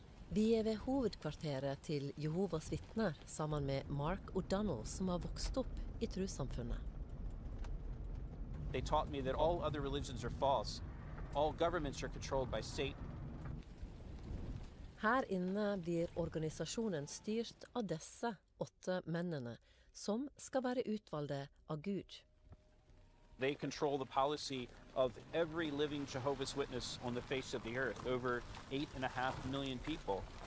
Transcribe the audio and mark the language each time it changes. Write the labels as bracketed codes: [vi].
[no] Vi ved hovedkvarteret til Jehovas vittner sammen med Mark O'Donnell, som har vokst opp I trossamfunnet. [en] They taught me that all other religions are false. All governments are controlled by Satan. [no] Her inne blir organisasjonen styrt av disse åtte mennene, som skal være utvalgte av Gud. [en] They control the policy of every living Jehovah's Witness on the face of the earth, over 8.5 million people.